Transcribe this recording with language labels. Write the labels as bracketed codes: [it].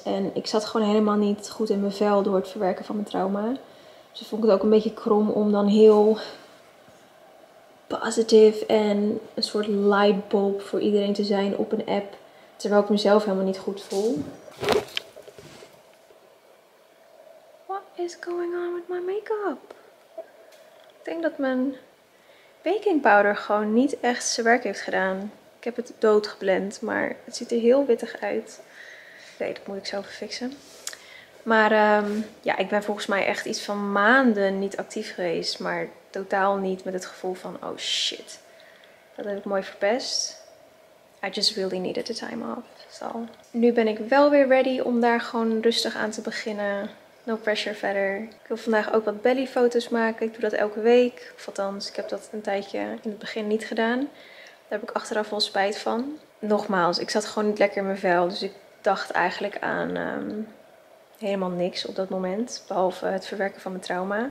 [nl] En ik zat gewoon helemaal niet goed in mijn vel door het verwerken van mijn trauma. Dus ik vond het ook een beetje krom om dan heel positive en een soort lightbulb voor iedereen te zijn op een app, terwijl ik mezelf helemaal niet goed voel. [en] What is going on with my make-up? [nl] Ik denk dat mijn baking powder gewoon niet echt zijn werk heeft gedaan. Ik heb het dood geblend, maar het ziet er heel wittig uit. Nee, dat moet ik zelf fixen. Maar ja, ik ben volgens mij echt iets van maanden niet actief geweest, maar totaal niet met het gevoel van, oh shit, dat heb ik mooi verpest. [en] I just really needed the time off, so. [nl] Nu ben ik wel weer ready om daar gewoon rustig aan te beginnen. [en] No pressure [nl] verder. Ik wil vandaag ook wat bellyfoto's maken. Ik doe dat elke week. Of althans, ik heb dat een tijdje in het begin niet gedaan. Daar heb ik achteraf wel spijt van. Nogmaals, ik zat gewoon niet lekker in mijn vel. Dus ik dacht eigenlijk aan helemaal niks op dat moment, behalve het verwerken van mijn trauma.